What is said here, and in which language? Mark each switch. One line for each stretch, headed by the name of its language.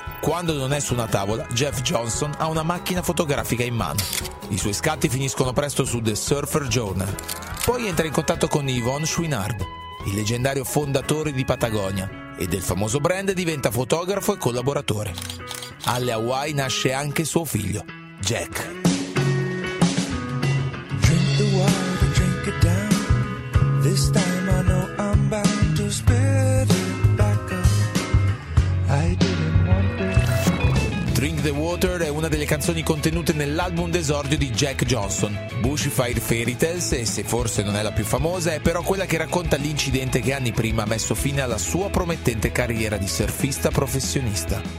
Italian: Quando non è su una tavola, Jeff Johnson ha una macchina fotografica in mano. I suoi scatti finiscono presto su The Surfer Journal. Poi entra in contatto con Yvon Chouinard, il leggendario fondatore di Patagonia, e del famoso brand diventa fotografo e collaboratore. Alle Hawaii nasce anche suo figlio, Jack.
English: Drink the water, drink it down. This time I know I'm bound to spit it back up. I didn't want to...
Italian: Drink the Water è una delle canzoni contenute nell'album d'esordio di Jack Johnson, Bushfire Fairy Tales, e se forse non è la più famosa, è però quella che racconta l'incidente che anni prima ha messo fine alla sua promettente carriera di surfista professionista.